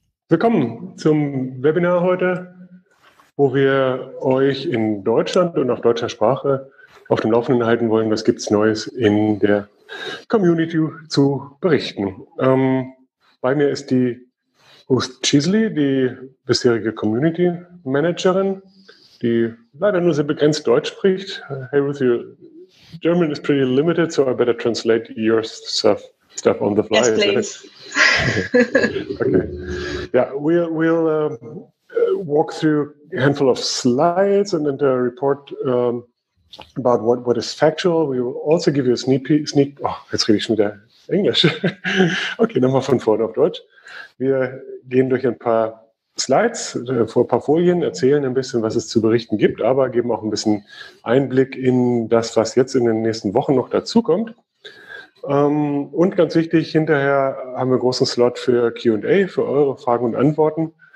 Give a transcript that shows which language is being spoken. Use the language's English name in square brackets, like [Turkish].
[German] Willkommen zum Webinar heute, wo wir euch in Deutschland und auf deutscher Sprache auf dem Laufenden halten wollen. Was gibt's Neues in der Community zu berichten? Bei mir ist die Ruth Chisley, die bisherige Community Managerin, die leider nur sehr begrenzt Deutsch spricht. [English] Hey Ruth, your German is pretty limited, so I better translate your stuff on the fly. Yes, please. Okay. Yeah, we'll walk through a handful of slides and then the report about what is factual. We will also give you a sneak peek. [German] Oh, jetzt rede ich schon wieder Englisch. Okay, nochmal von vorne auf Deutsch. Wir gehen durch ein paar Slides, vor ein paar Folien, erzählen ein bisschen, was es zu berichten gibt, aber geben auch ein bisschen Einblick in das, was jetzt in den nächsten Wochen noch dazukommt. Und ganz wichtig, hinterher haben wir einen großen Slot für Q&A, für eure Fragen und Antworten.